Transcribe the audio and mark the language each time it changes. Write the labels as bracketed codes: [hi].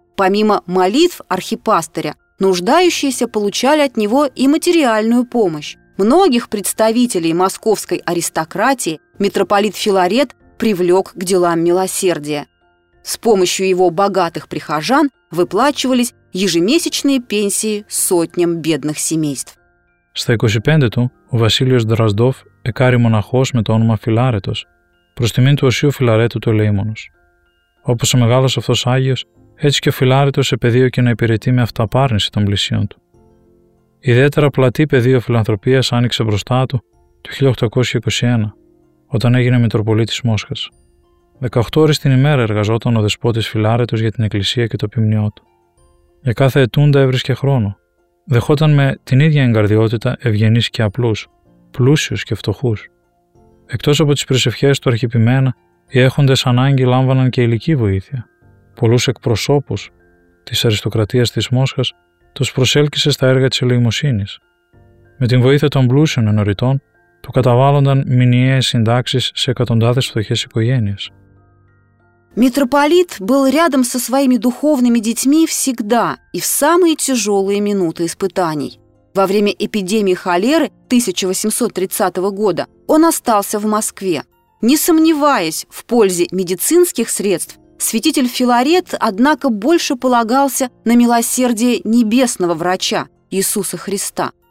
[ru] Помимо молитв архипастыря, нуждающиеся получали от него и материальную помощь. Многих представителей московской аристократии митрополит Филарет привлек к делам милосердия. С помощью его богатых прихожан выплачивались ежемесячные пенсии сотням бедных семейств. [el] Στα 25 του, ο Βασίλειος Δραζντόφ εκάρει μοναχός με το όνομα Φιλάρετος, προς τιμήν του Οσίου Φιλαρέτου του Ελεήμονος. Όπως ο μεγάλος αυτός Άγιος, έτσι και ο Φιλάρετος επεδίωκε να υπηρετεί με αυταπάρνηση των πλησίων του. Ιδιαίτερα πλατή πεδίο φιλανθρωπίας άνοιξε μπροστά του το 1821, όταν έγινε Μητροπολίτης Μόσχας. 18 ώρες την ημέρα εργαζόταν ο δεσπότης Φιλάρετος για την Εκκλησία και το ποιμνιό του. Για κάθε ετούντα έβρισκε χρόνο. Δεχόταν με την ίδια εγκαρδιότητα ευγενείς και απλούς, πλούσιους και φτωχούς. Εκτός από τις προσευχές του αρχιποιμένα, οι έχοντες ανάγκη λάμβαναν και υλική βοήθεια. Πολλούς εκπροσώπους της αριστοκρατίας της Μόσχας τους προσέλκυσε στα έργα της ελεημοσύνης. Με την βοήθεια των πλούσιων ενωρητών, του καταβάλλονταν μηνιαίες συντάξεις σε εκατοντάδες φτωχές οικογένειες. [ru] Митрополит был рядом со своими духовными детьми всегда и в самые тяжелые минуты испытаний. Во время эпидемии холеры 1830 года он остался в Москве. Не сомневаясь в пользе медицинских средств, святитель Филарет, однако, больше полагался на милосердие небесного врача Иисуса Христа.